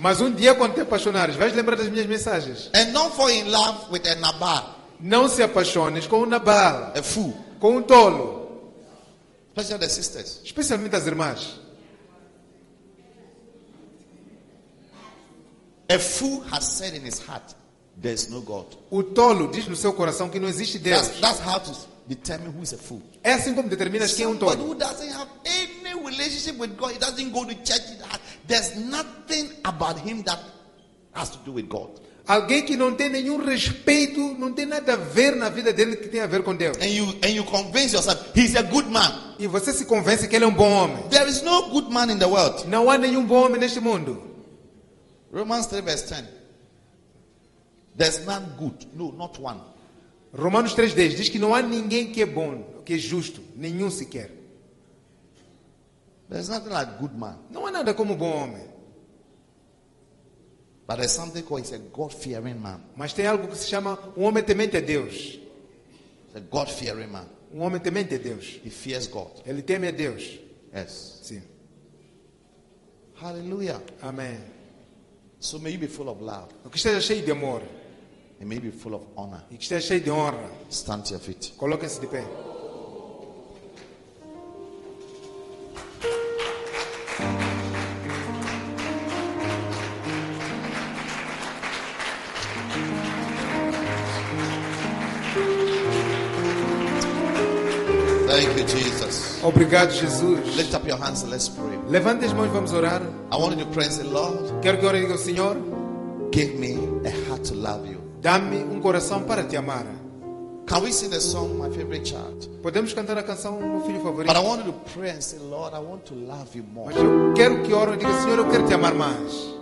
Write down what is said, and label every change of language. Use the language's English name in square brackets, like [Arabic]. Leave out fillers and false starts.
[Portuguese] Mas dia quando te apaixonares, vais lembrar das minhas mensagens. [English] And don't fall in love with a Nabal. [Portuguese] Não se apaixones com Nabal. [English] A fool. [Portuguese] Com tolo. [English] Especially the sisters. [Portuguese] Especialmente as irmãs. [English] A fool has said in his heart, there is no God. [Portuguese] O tolo diz no seu coração que não existe Deus. [English] That's how to determine who is a fool. [Portuguese] É assim como determinas quem é tolo. [English] Somebody who doesn't have any relationship with God, he doesn't go to church, there's nothing about him that has to do with God. [Portuguese] Alguém que não tem nenhum respeito, não tem nada a ver na vida dele que tem a ver com Deus. [English] And you convince yourself he's a good man. [Portuguese] E você se convence que ele é bom homem. [English] There is no good man in the world. [Portuguese] Não há nenhum bom homem neste mundo. [English] Romans 3 verse 10. There's none good. No, not one. [Portuguese] Romanos 3, 10 diz que não há ninguém que é bom, que é justo, nenhum sequer. [English] There's nothing like good man. [Portuguese] Não há nada como bom homem. [English] But there's something called he's a God-fearing man. [Portuguese] Mas tem algo que se chama um homem temente a Deus. [English] A God-fearing man. [Portuguese] Um homem temente a Deus. [English] He fears God. [Portuguese] Ele teme a Deus. [English] Yes. [Portuguese] Sim. [English] Hallelujah. [Portuguese] Amém. [English] So may you be full of love. [Portuguese] Que esteja cheio de amor. [English] And may you be full of honor. [Portuguese] Que esteja cheio de honra. [English] Stand to your feet. [Portuguese] Coloque-se de pé. [English] Thank you, Jesus. [Portuguese] Obrigado, Jesus. [English] Lift up your hands and let's pray. [Portuguese] Levante as mãos, vamos orar. [English] I want you to praise the Lord. [Portuguese] Quero que ore e diga, Senhor, [English] give me a heart to love you. [Portuguese] Dá-me coração para te amar. [English] Can we sing the song, my favorite child? [Portuguese] Podemos cantar a canção, meu filho favorito. [English] But I want you to pray and say, Lord, I want to love you more. [Portuguese] Mas eu quero que ore e diga, Senhor, eu quero te amar mais.